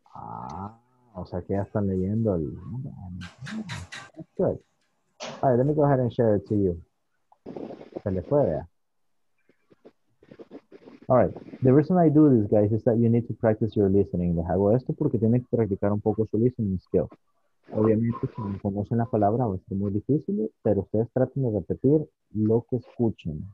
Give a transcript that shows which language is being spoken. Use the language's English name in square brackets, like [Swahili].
[Spanish] Ah, o sea que ya están leyendo el... [English] That's good. All right, let me go ahead and share it to you. [Spanish] Se le fue, vea. [English] All right. The reason I do this, guys, is that you need to practice your listening. [Spanish] Les hago esto porque tienen que practicar un poco su listening skill. Obviamente, si no conocen la palabra, va a ser muy difícil, pero ustedes traten de repetir lo que escuchen.